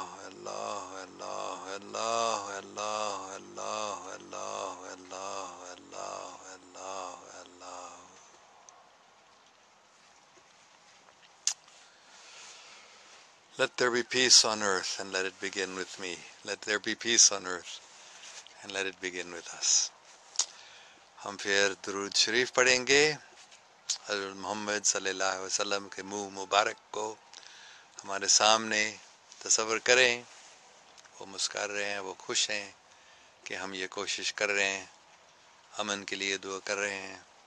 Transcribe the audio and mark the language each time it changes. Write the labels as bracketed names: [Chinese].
[Urdu] Allah Allah Allah Allah [English] Allah Allah Allah Allah Allah Allah Allah Let there be peace on earth and let it begin with me. Let there be peace on earth and let it begin with us. [Urdu] ہم پھر درود شریف پڑھیں گے، حضرت محمد صلی اللہ علیہ وسلم کے منہ مبارک کو ہمارے سامنے تصور کریں. وہ مسکر رہے ہیں، وہ خوش ہیں کہ ہم یہ کوشش کر رہے ہیں، امن کے لیے دعا کر رہے ہیں.